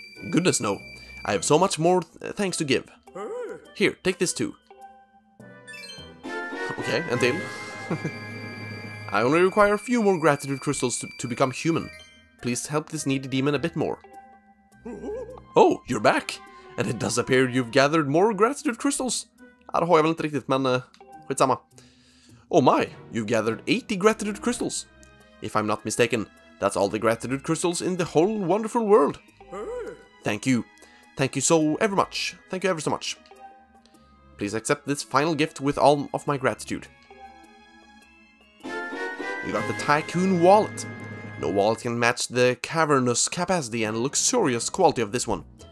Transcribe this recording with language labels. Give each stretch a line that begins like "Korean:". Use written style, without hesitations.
English: Goodness no, I have so much more thanks to give. Here, take this too. Okay, until. I only require a few more gratitude crystals to become human. Please help this needy demon a bit more. Oh, you're back! And it does appear you've gathered more gratitude crystals.
Swedish: Ja, det har jag väl inte riktigt, men skitsamma.
English: Oh my, you've gathered 80 gratitude crystals. If I'm not mistaken, that's all the gratitude crystals in the whole wonderful world. Thank you. Thank you so ever much. Thank you ever so much. Please accept this final gift with all of my gratitude. You got the Tycoon Wallet. No wallet can match the cavernous capacity and luxurious quality of this one.